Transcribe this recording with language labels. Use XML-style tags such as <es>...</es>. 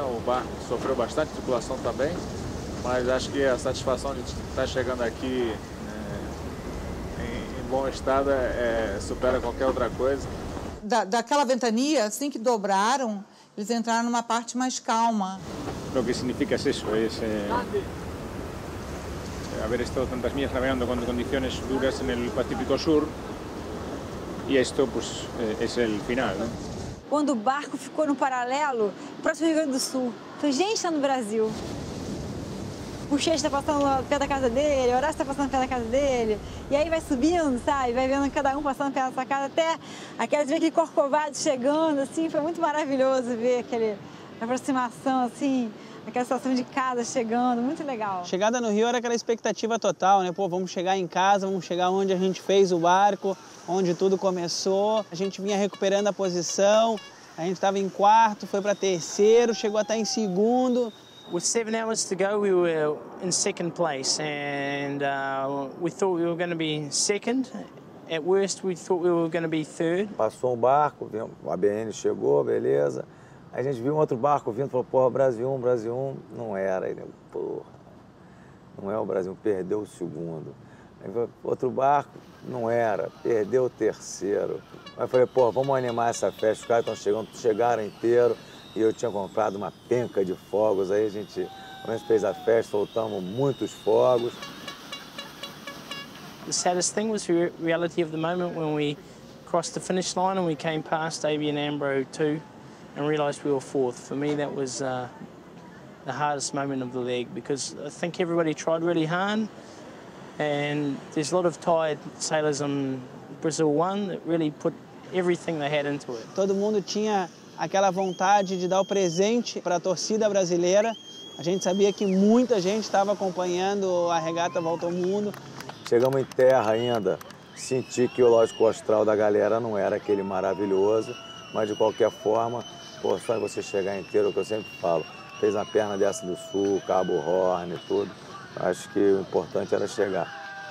<pt>O barco sofreu bastante, tripulação também, mas acho que a satisfação de estar chegando aqui em bom estado supera qualquer outra coisa. Daquela ventania, assim que dobraram, eles entraram numa parte mais calma. O que significa isso?</pt> <es>Haber estado tantas millas navegando con condiciones duras en el Pacífico Sur y esto pues es el final, ¿no? Cuando el barco</es> <pt>ficou no paralelo, próximo Rio Grande do Sul, foi gente está no Brasil. O Xê está passando perto da casa dele, o Horácio está passando perto da casa dele, e aí vai subindo, sabe? Vai vendo cada um passando perto da sua casa, até aquelas ver aquele corcovado chegando, assim, foi muito maravilhoso ver aquele aproximação, assim. Aquela situação de casa chegando, muito legal. Chegada no Rio era aquela expectativa total, né? Pô, vamos chegar em casa, vamos chegar onde a gente fez o barco, onde tudo começou. A gente vinha recuperando a posição, a gente estava em quarto, foi para terceiro, chegou até em segundo.</pt> <en>With 7 hours to go, we were in second place and we thought we were going to be second. At worst, we thought we were going to be third.</en> <pt>Passou um barco, o ABN chegou, beleza. A gente viu um outro barco vindo e falou, porra, Brasil 1, não era. Ele, porra, não é o Brasil 1, perdeu o segundo. Aí falou, outro barco, não era, perdeu o terceiro. Aí eu falei, porra, vamos animar essa festa, os caras estão chegando, chegaram inteiro. E eu tinha comprado uma penca de fogos, aí a gente fez a festa, soltamos muitos fogos.</pt> <en>The saddest thing was the reality of the moment when we crossed the finish line and we came past ABN AMRO 2. And realized we were fourth. For me, that was the hardest moment of the leg because I think everybody tried really hard, and there's a lot of tired sailors on Brazil 1 that really put everything they had into it.</en> <pt>Todo mundo tinha aquela vontade de dar o presente para a torcida brasileira. A gente sabia que muita gente estava acompanhando a regata Volta ao Mundo. Chegamos em terra ainda, senti que o lógico astral da galera não era aquele maravilhoso. Mas, de qualquer forma, pô, só você chegar inteiro, o que eu sempre falo, fez uma perna dessa do sul, Cabo Horn e tudo, acho que o importante era chegar.</pt>